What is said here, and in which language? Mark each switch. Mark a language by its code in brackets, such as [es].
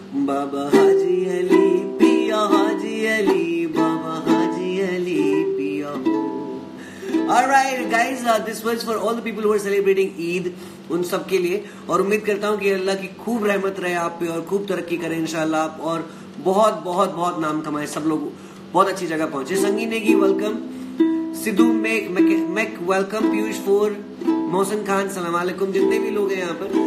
[hi] बाबा हाजी अली, पिया हाजी अली, बाबा हाजी अली, पिया हो. [en] Alright guys, this was for all the people who are celebrating Eid. [hi] उन सब के लिए और उम्मीद करता हूँ कि अल्लाह की खूब रहमत रहे आप पे और खूब तरक्की करे इंशाल्लाह आप और बहुत बहुत बहुत नाम कमाए, सब लोग बहुत अच्छी जगह पहुंचे. संगी Negi welcome, Sidhu Mac welcome, Piyush four, Mohsin Khan सलाम अलैकुम, जितने भी लोग हैं यहाँ पर.